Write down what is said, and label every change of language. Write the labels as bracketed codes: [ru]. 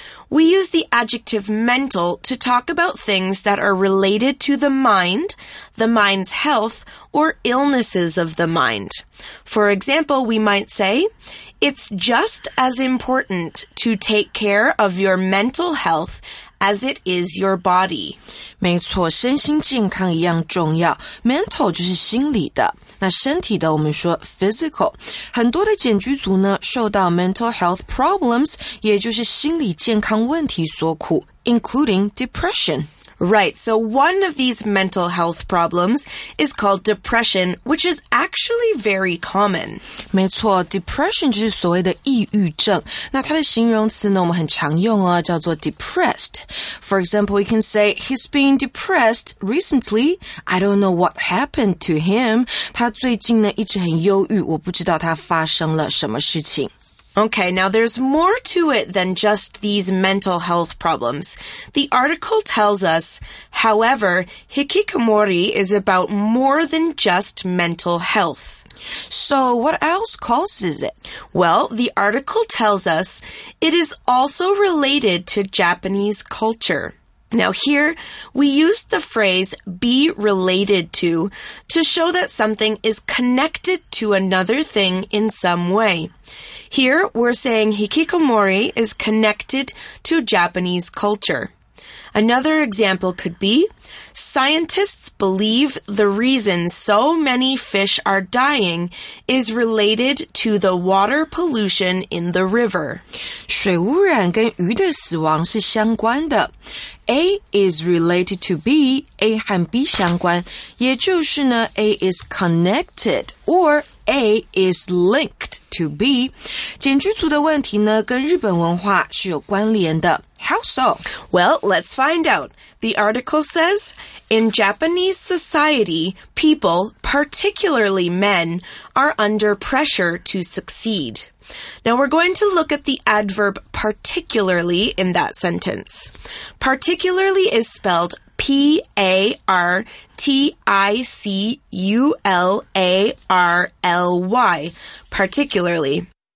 [en] We use the adjective mental to talk about things that are related to the mind, the mind's health, or illnesses of the mind. For example, we might say, It's just as important to take care of your mental health as it is your body. [zh] 没错，身心健康一样重要。 Mental 就是心理的。那身体的我们说 physical， 很多的简居族呢受到 [en] mental health problems， [zh] 也就是心理健康问题所苦， [en] including depression。 Right, so one of these mental health problems is called depression, which is actually very common. [zh] 没错 ,depression 就是所谓的抑郁症。那它的形容词呢我们很常用哦叫做 depressed。 [en] For example, we can say, he's been depressed recently. I don't know what happened to him. [zh] 他最近呢一直很忧郁我不知道他发生了什么事情。 [en] Okay, now there's more to it than just these mental health problems. The article tells us, however, hikikomori is about more than just mental health. So what else causes it? Well, the article tells us it is also related to Japanese culture. Now here, we use the phrase be related to show that something is connected to another thing in some way. Here, we're saying hikikomori is connected to Japanese culture. Another example could be, scientists believe the reason so many fish are dying is related to the water pollution in the river. [zh] 水污染跟鱼的死亡是相关的。 [en] A is related to B, A [zh] 和 B 相关，也就是呢 [en] A is connected or A is linked to B. [zh] 简居族的问题呢跟日本文化是有关联的。 [en] How so? Well, let's find out. The article says, In Japanese society, people, particularly men, are under pressure to succeed. Now we're going to look at the adverb particularly in that sentence. Particularly is spelled P-A-R-T-I-C-U-L-A-R-L-Y, particularly.